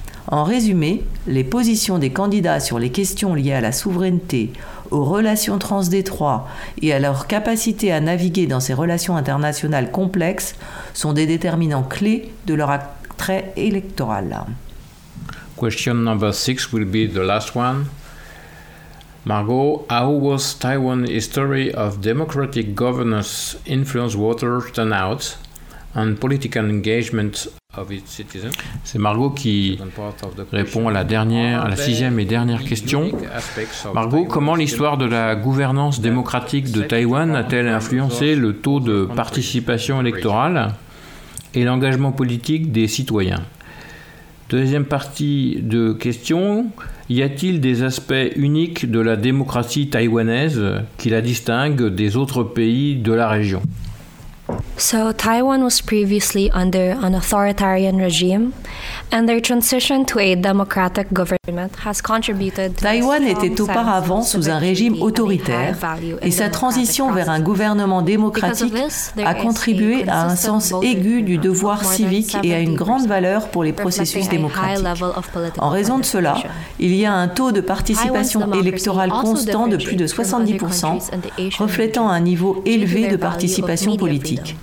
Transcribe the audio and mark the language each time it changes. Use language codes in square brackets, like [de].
[fr] En résumé, les positions des candidats sur les questions liées à la souveraineté, aux relations transdétroites et à leur capacité à naviguer dans ces relations internationales complexes sont des déterminants clés de leur attrait électoral. [en] Question number 6 will be the last one. Margot, how was Taiwan's history of democratic governance influence voter turnout and political engagement of its citizens? [fr] C'est Margot qui répond à la dernière, à la sixième et dernière question. Margot, comment l'histoire de la gouvernance démocratique de Taïwan a-t-elle influencé le taux de participation électorale et l'engagement politique des citoyens? Deuxième partie de question. Y a-t-il des aspects uniques de la démocratie taïwanaise qui la distinguent des autres pays de la région? [en] So Taiwan was previously under an authoritarian regime, and their transition to a democratic government has contributed to [fr] Taiwan était auparavant sous un régime autoritaire, et sa transition vers un gouvernement démocratique a contribué à un sens aigu du devoir civique et à une grande valeur pour les processus démocratiques. En raison de cela, il y a un taux de participation électorale constant de plus de 70%, reflétant un niveau élevé de participation politique.